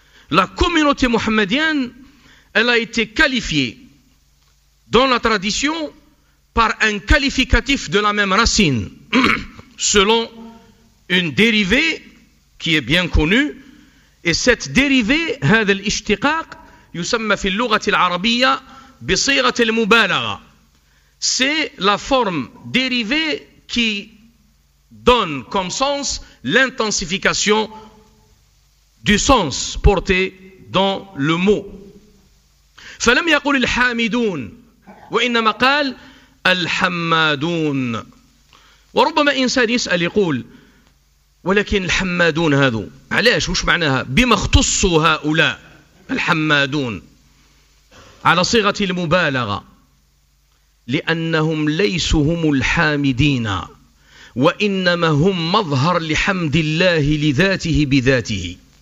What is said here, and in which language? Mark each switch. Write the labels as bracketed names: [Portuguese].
[French] La communauté mohammedienne, elle a été qualifiée dans la tradition par un qualificatif de la même racine, selon une dérivée qui est bien connue. Et cette dérivée, [Arabic] هذا الاشتقاق يسمى في اللغة العربية بصيغة المبالغة. [French] C'est la forme dérivée qui donne comme sens l'intensification du sens porté dans le mot. [Arabic] فلم يقول الحامدون وإنما قال الحمادون. وربما إنسان يسأل يقول: ولكن الحمادون هذو علاش؟ وش معناها؟ بما اختصوا هؤلاء الحمادون على صيغة المبالغة؟ لأنهم ليسوا هم الحامدين، وإنما هم مظهر لحمد الله لذاته بذاته.